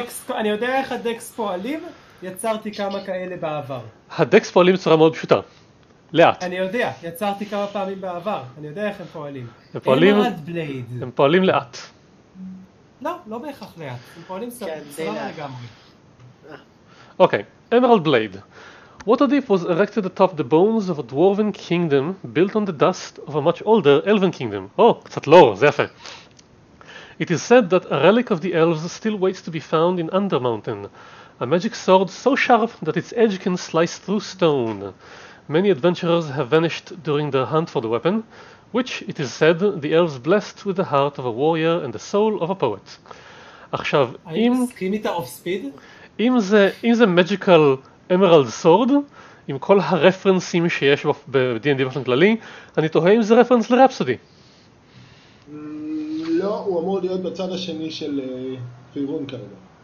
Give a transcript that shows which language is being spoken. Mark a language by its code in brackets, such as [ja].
[he] אני יודע איך הדקס פועלים, יצרתי כמה כאלה בעבר. הדקס פועלים בצורה מאוד פשוטה. לאט. אני יודע, יצרתי כמה פעמים בעבר. אני יודע איך הם פועלים. הם פועלים לאט. לא, לא בהכרח לאט, הם פועלים סבבה לגמרי. אוקיי, Emerald Blade. [en] Waterdeep was erected atop the bones of a dwarven kingdom built on the dust of a much older elven kingdom. [he] Oh, קצת לור, זה יפה. [en] It is said that a relic of the elves still waits to be found in Undermountain, a magic sword so sharp that its edge can slice through stone. many adventurers have vanished during their hunt for the weapon, which, it is said, the elves blessed with the heart of a warrior and the soul of a poet. [he] עכשיו, אם... האם סקימית אוף ספיד? אם זה [en] magical emerald sword, [he] עם כל הרפרנסים שיש ב-D&D באופן כללי, אני תוהה אם זה רפרנס לרפסודי. לא, הוא אמור להיות בצד השני של פירון כרגע.